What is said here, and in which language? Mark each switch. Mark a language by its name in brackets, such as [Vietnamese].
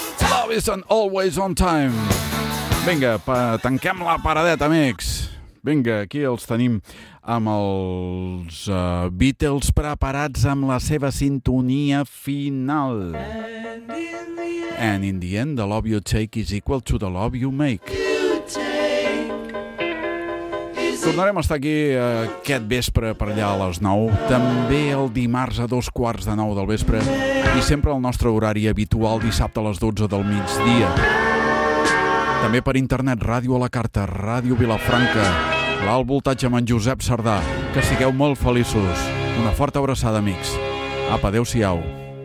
[English] Love is and always on time. [Catalan] Vinga, tanquem la paradeta, amics. Vinga, aquí els tenim amb els Beatles preparats amb la seva sintonia final. [English] And in the end, the love you take is equal to the love you make. [Catalan] Tornarem a estar aquí aquest vespre per allà a les 9. També el dimarts a 8:45 del vespre. I sempre el nostre horari habitual, dissabte a les 12 del migdia. També per internet, ràdio a la carta, Ràdio Vilafranca, l'Alt Voltatge amb en Josep Sardà. Que sigueu molt feliços. Una forta abraçada, amics. Apa, adeu-siau.